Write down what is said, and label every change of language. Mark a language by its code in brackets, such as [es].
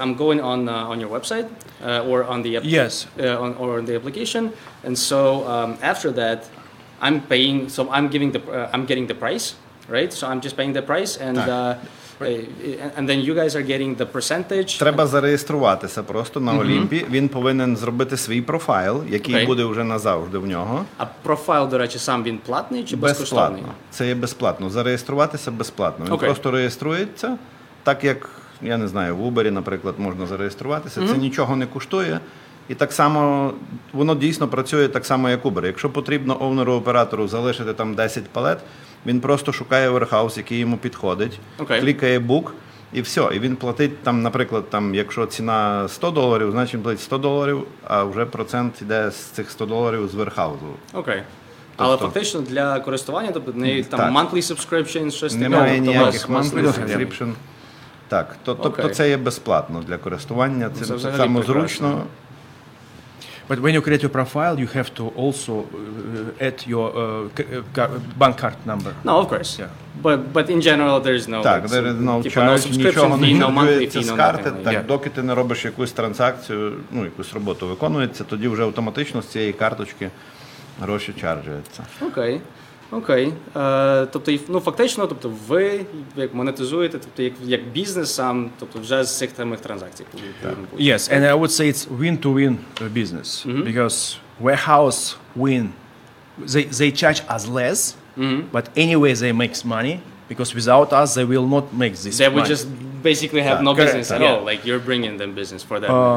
[en] I'm going on your website or on the application, and so after that, I'm paying. So I'm giving the I'm getting the price, right? So I'm just paying the price and. And then you guys are getting the percentage. [uk] Треба зареєструватися просто на Олімпі. Він повинен зробити свій профайл, який буде вже назавжди в нього. А профайл, до речі, сам він платний чи безкоштовний? Безплатно. Це є безплатно. Зареєструватися безплатно. Він просто реєструється, так як, я не знаю, в Uber, наприклад, можна зареєструватися. Це нічого не коштує. І так само, воно дійсно працює так само, як Uber. Якщо потрібно овнеру-оператору залишити там 10 палет, він просто шукає верхаус, який йому підходить, клікає бук, і все. І він платить там, наприклад, там, якщо ціна $100, значить він платить $100, а вже процент йде з цих $100 з верхаузу. Окей. Тобто, але фактично для користування, тобто не там так. [en] Monthly subscription, [uk] щось таке? Немає ніяких [en] monthly subscription. [uk] Так, тобто це є безплатно для користування, це саме зручно. [en] But when you create your profile, you have to also add your bank card number. No, of course. Yeah. But in general, there is no. [uk] Так, [en] like, there is no charge, no subscription fee, no monthly fee, no [uk] карти, [en] nothing. [uk] Так, доки ти не робиш якусь транзакцію, ну якусь роботу виконується, тоді вже автоматично з цієї карточки гроші чаржуються. Окей. Тобто, ну фактично, тобто ви як монетизуєте, тобто як бізнес сам, тобто вже з цих самих транзакцій. [en] Yes, and I would say it's win-to-win business mm-hmm. because warehouse win. They charge us less, mm-hmm. but anyway they make money because without us they will not make this. They would just basically have no business at all. Like you're bringing them business for them.